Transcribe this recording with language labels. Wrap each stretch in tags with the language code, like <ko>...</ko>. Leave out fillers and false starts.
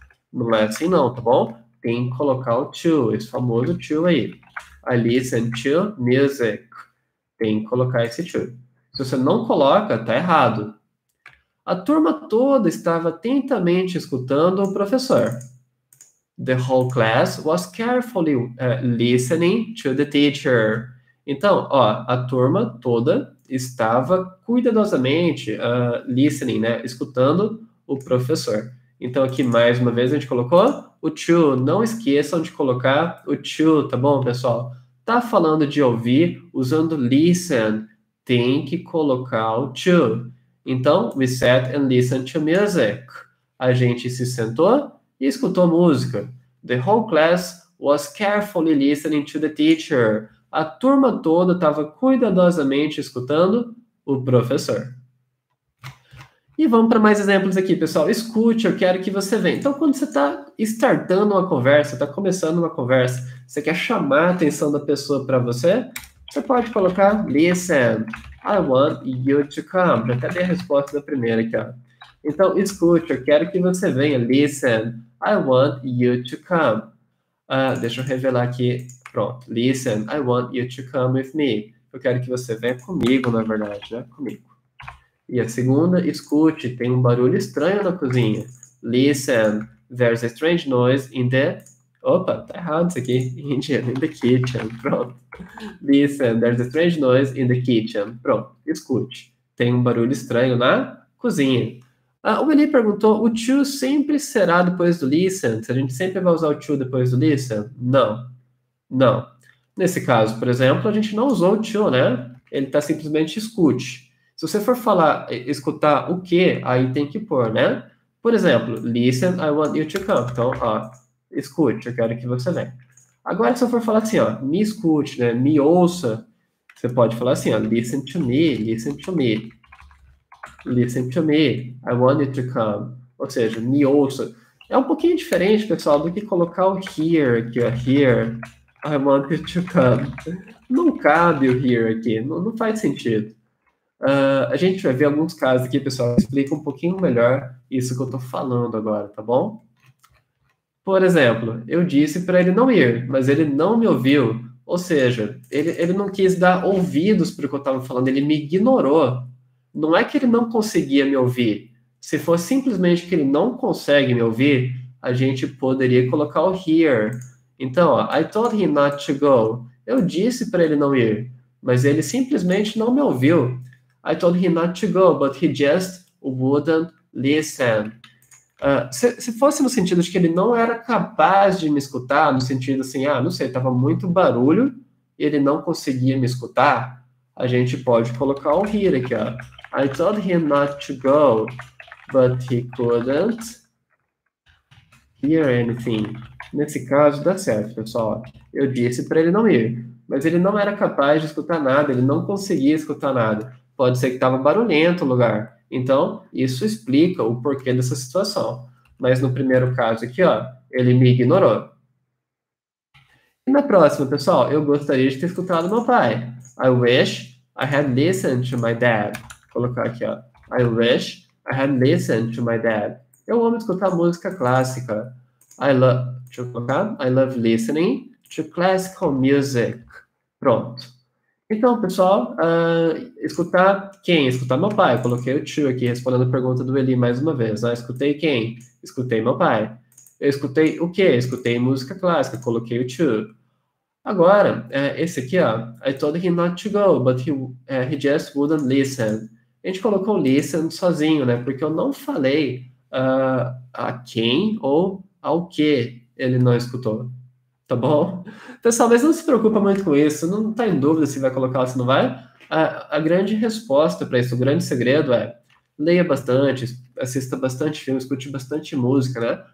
<pt>Não é assim não, tá bom? Tem que colocar o to, esse famoso to aí.</pt> <en>I listen to music.</en> <pt>Tem que colocar esse to. Se você não coloca, tá errado. A turma toda estava atentamente escutando o professor.</pt> <en>The whole class was carefully listening to the teacher.</en> <pt>Então, ó, a turma toda estava cuidadosamente listening, né? Escutando o professor. Então, aqui, mais uma vez, a gente colocou o to. Não esqueçam de colocar o to, tá bom, pessoal? Tá falando de ouvir usando listen. Tem que colocar o to. Então,</pt> <en>we sat and listened to music.</en> <pt>A gente se sentou e escutou música.</pt> <en>The whole class was carefully listening to the teacher.</en> <pt>A turma toda estava cuidadosamente escutando o professor. E vamos para mais exemplos aqui, pessoal. Escute, eu quero que você venha. Então, quando você está startando uma conversa, está começando uma conversa, você quer chamar a atenção da pessoa para você, você pode colocar listen.</pt> <en>I want you to come.</en> <pt>Eu até dei a resposta da primeira aqui, ó. Então, escute, eu quero que você venha.</pt> <en>Listen. I want you to come.</en> <pt>Deixa eu revelar aqui. Pronto.</pt> <en>Listen, I want you to come with me.</en> <pt>Eu quero que você venha comigo, na verdade, né? Comigo. E a segunda, escute, tem um barulho estranho na cozinha.</pt> <en>Listen, there's a strange noise in the.</en> <pt>Opa, tá errado isso aqui.</pt> <en>In the kitchen. Pronto. Listen, there's a strange noise in the kitchen.</en> <pt>Pronto. Escute, tem um barulho estranho na cozinha. Ah, o Eli perguntou: o to sempre será depois do listen? A gente sempre vai usar o to depois do listen? Não. Não. Nesse caso, por exemplo, a gente não usou o to, né? Ele está simplesmente escute. Se você for falar, escutar o quê, aí tem que pôr, né? Por exemplo,</pt> <en>listen, I want you to come.</en> <pt>Então, ó, escute, eu quero que você venha. Agora, se você for falar assim, ó, me escute, né? Me ouça. Você pode falar assim, ó,</pt> <en>listen to me, listen to me. Listen to me, I want you to come.</en> <pt>Ou seja, me ouça. É um pouquinho diferente, pessoal, do que colocar o here aqui, ó, here.</pt> <en>I want you to come.</en> <pt>Não cabe o here aqui, não, não faz sentido. A gente vai ver alguns casos aqui, pessoal, explica um pouquinho melhor isso que eu tô falando agora, tá bom? Por exemplo, eu disse para ele não ir, mas ele não me ouviu. Ou seja, ele não quis dar ouvidos para o que eu estava falando, ele me ignorou. Não é que ele não conseguia me ouvir. Se fosse simplesmente que ele não consegue me ouvir, a gente poderia colocar o here. Então, ó,</pt> <en>I told him not to go.</en> <pt>Eu disse para ele não ir, mas ele simplesmente não me ouviu.</pt> <en>I told him not to go, but he just wouldn't listen.</en> <pt>Se fosse no sentido de que ele não era capaz de me escutar, no sentido assim, ah, não sei, estava muito barulho e ele não conseguia me escutar, a gente pode colocar o here aqui, ó.</pt> <en>I told him not to go, but he couldn't hear anything.</en> <pt>Nesse caso, dá certo, pessoal. Eu disse para ele não ir, mas ele não era capaz de escutar nada, ele não conseguia escutar nada. Pode ser que estava barulhento o lugar. Então, isso explica o porquê dessa situação. Mas no primeiro caso aqui, ó, ele me ignorou. E na próxima, pessoal, eu gostaria de ter escutado meu pai.</pt> <en>I wish I had listened to my dad.</en> <pt>Vou colocar aqui, ó.</pt> <en>I wish I had listened to my dad.</en> <pt>Eu amo escutar música clássica.</pt> <en>I love listening to classical music. Pronto.</en> <pt>Então, pessoal, escutar quem? Escutar meu pai. Eu coloquei o to aqui, respondendo a pergunta do Eli mais uma vez. Ah, escutei quem? Escutei meu pai. Eu escutei o quê? Escutei música clássica. Coloquei o to. Agora, esse aqui, ó.</pt> <en>I told him not to go, but he just wouldn't listen.</en> <pt>A gente colocou listen sozinho, né? Porque eu não falei a quem ou ao que ele não escutou. Tá bom? Pessoal, mas não se preocupa muito com isso. Não tá em dúvida se vai colocar ou se não vai. A grande resposta para isso, o grande segredo é leia bastante, assista bastante filmes, escute bastante música, né?</pt>